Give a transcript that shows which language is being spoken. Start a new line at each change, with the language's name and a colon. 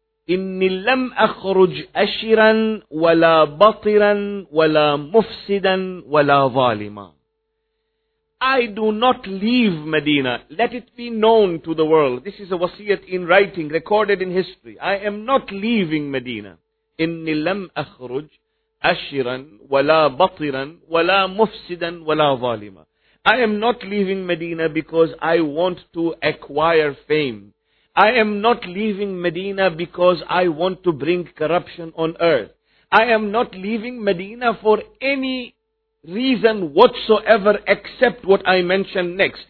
Arabic: إني لم أخرج أشرا ولا بطرا ولا مفسدا ولا ظالما.
English: I do not leave Medina. Let it be known to the world. This is a wasiyat in writing, recorded in history. I am not leaving Medina.
Arabic: إني لم أخرج أشرا ولا بطرا ولا مفسدا ولا ظالما.
English: I am not leaving Medina because I want to acquire fame. I am not leaving Medina because I want to bring corruption on earth. I am not leaving Medina for any reason whatsoever except what I mention next.